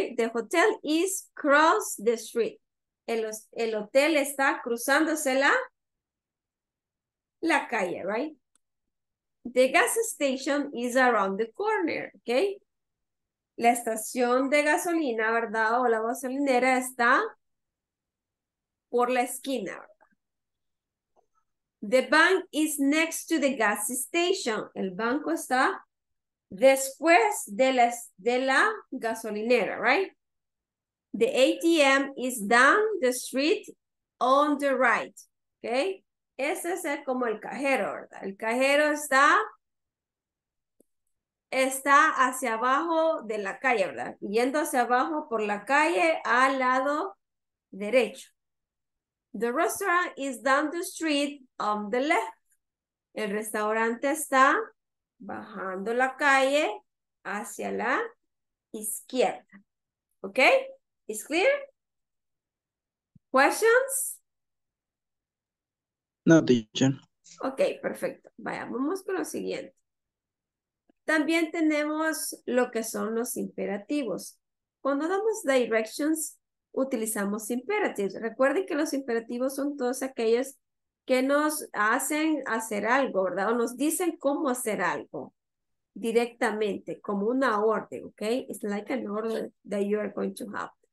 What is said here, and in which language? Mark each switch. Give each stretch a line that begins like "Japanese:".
English: The hotel is cross the street.
Spanish: El hotel está cruzándose la calle,
English: right? The gas station is around the corner, ¿ok?
Spanish: La estación de gasolina, ¿verdad? O la gasolinera está por la esquina, ¿verdad?
English: The bank is next to the gas station.
Spanish: El banco está después de la gasolinera, right?
English: The ATM is down the street on the right. Okay.
Spanish: Ese es como el cajero, ¿verdad? El cajero está, está hacia abajo de la calle, ¿verdad? Yendo hacia abajo por la calle al lado derecho.
English: The restaurant is down the street on the left.
Spanish: El restaurante está bajando la calle hacia la izquierda.
English: Okay? Is clear? Questions? No, teacher.
Spanish: Okay, perfecto. Vaya, vamos con lo siguiente. También tenemos lo que son los imperativos. Cuando damos directions, utilizamos imperatives. Recuerden que los imperativos son todos aquellos que nos hacen hacer algo, ¿verdad? O nos dicen cómo hacer algo directamente, como una orden, ¿ok?
English: It's like an order that you are going to have.